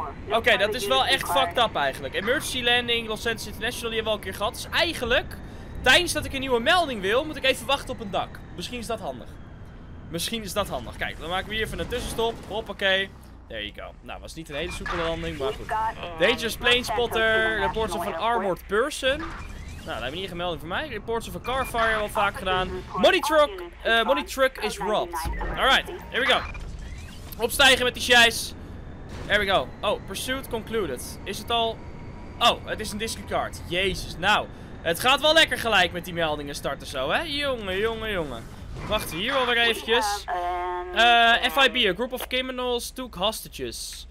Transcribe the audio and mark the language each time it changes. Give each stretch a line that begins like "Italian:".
Dutch: Oké, dat is wel echt fucked up eigenlijk.
English: Emergency landing,
Dutch: Los Angeles International, die hebben we al een keer gehad. Dus eigenlijk, tijdens dat ik een nieuwe melding wil, moet ik even wachten op een dak. Misschien is dat handig. Kijk, dan maken we hier even een tussenstop. Hoppakee.
English: There you go.
Dutch: Nou, was niet een hele soepele landing, maar goed.
English: Dangerous plane spotter. Reports of an armored person.
Dutch: Nou, dat heb ik niet gemeld voor mij.
English: Reports of a car fire
Dutch: wel vaak gedaan.
English: Money truck is robbed. Alright, here we go.
Dutch: Opstijgen met die scheis.
English: There we go.
Dutch: Oh,
English: pursuit concluded.
Dutch: Is het al... Oh, het is een disregard. Jezus, nou. Het gaat wel lekker gelijk met die meldingen starten zo, hè? Jongen. Wachten hier wel weer eventjes.
English: FIB, a group of criminals took hostages.